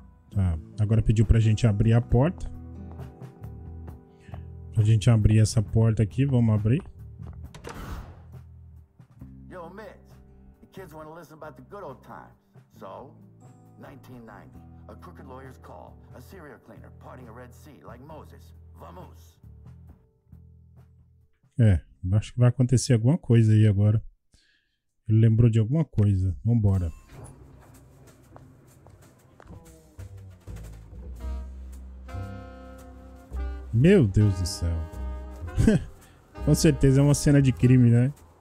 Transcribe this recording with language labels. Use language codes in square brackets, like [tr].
[pt] Tá, agora pediu pra gente abrir a porta. Pra gente abrir essa porta aqui, vamos abrir. [en] Yo, Mitch. The kids want to listen about the good old times. So, 1990, a crooked lawyer's call, a serial cleaner parting a Red Sea like Moses. [pt] Vamos. É, acho que vai acontecer alguma coisa aí agora. Ele lembrou de alguma coisa. Vambora. Meu Deus do céu. Com certeza é uma cena de crime, né?